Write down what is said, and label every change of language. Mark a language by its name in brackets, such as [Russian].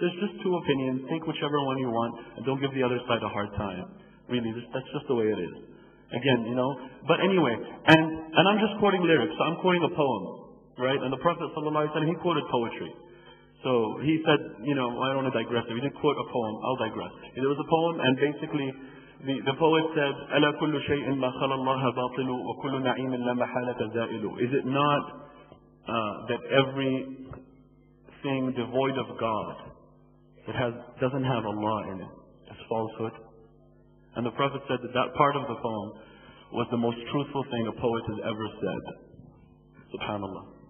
[English] There's just two opinions. Think whichever one you want and don't give the other side a hard time. Really, that's just the way it is. Again, you know. But anyway, and I'm just quoting lyrics. So I'm quoting a poem, right? And the Prophet ﷺ, he quoted poetry. So he said, you know, I don't want to digress. If he didn't quote a poem, I'll digress. There was a poem, and basically the poet said, [Arabic] أَلَا كُلُّ شَيْءٍ مَا خَلَى اللَّهَ بَاطِلُ وَكُلُّ نَعِيمٍ لَا مَحَالَةَ زَائِلُ. [English] Is it not that every thing devoid of God, it has doesn't have Allah in it, is falsehood? And the Prophet said that that part of the poem was the most truthful thing a poet has ever said. SubhanAllah.